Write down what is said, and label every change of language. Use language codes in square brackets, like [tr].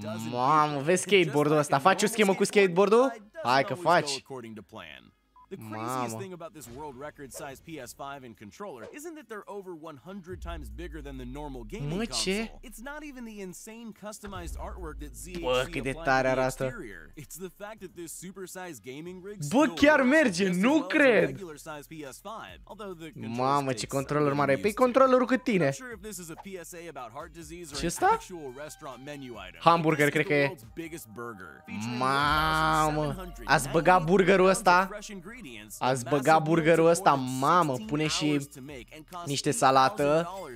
[ro] Mamă, vezi skateboardul ăsta? Faci o schemă cu skateboardul? Hai că faci. [en] The craziest thing about this world record size PS5 and controller isn't that they're over 100 times bigger than the normal gaming console. It's not even the insane customized artwork that ZHC applied to the exterior. It's the fact that this supersized gaming rig [ro] chiar merge, nu cred. [en] Regular size PS5. Although the [ro] mamă, ce controller mare. Pe controllerul cât tine. [en] Sure if this is a PSA about heart disease or an actual restaurant menu item. [ro] Hamburger cred că e. Mamă, ați băgat burgerul ăsta? Ați băgat burgerul ăsta, mamă, pune și niște salată.